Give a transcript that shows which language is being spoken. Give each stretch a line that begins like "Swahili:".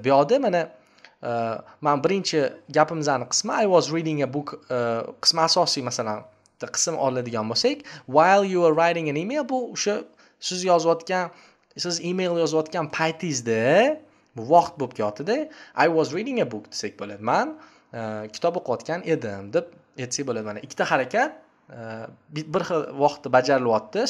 Uzbek: Bu yerda mana men birinchi gapimizning qismi
English: I was reading a book
Uzbek: qismi asosiy, masalan, bitta qism oladigan bo'lsak,
English: while you were writing an email
Uzbek: bu o'sha siz yozayotgan, siz email yozayotgan paytingizda bu vaqt bo'lib qotdi.
English: I was reading a book
Uzbek: desak bo'ladi. Men kitob o'qiyotgan edim deb aytsak bo'ladi. Mana ikkita harakat bir xil vaqtda bajarilyapti.